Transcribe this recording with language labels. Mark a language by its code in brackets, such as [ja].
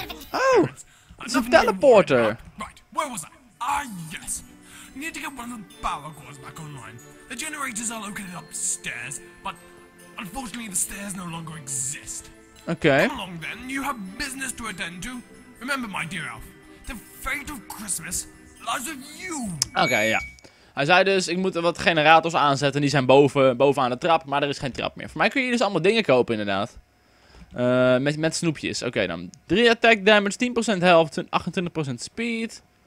[nl] Oh, het is een teleporter. [en] Right, where was I? Ah, yes. We need to get one of the power cores back online. The generators are located upstairs, but unfortunately the stairs no longer exist. Okay. Come along then, you have business to attend to. Remember, my dear elf, the fate of Christmas lies with you. Okay, yeah. [nl] Hij zei dus, ik moet wat generators aanzetten, die zijn boven aan de trap, maar er is geen trap meer. Voor mij kun je dus allemaal dingen kopen, inderdaad. Met snoepjes. Oké, dan. [en] 3 attack damage, 10% health, 28% speed.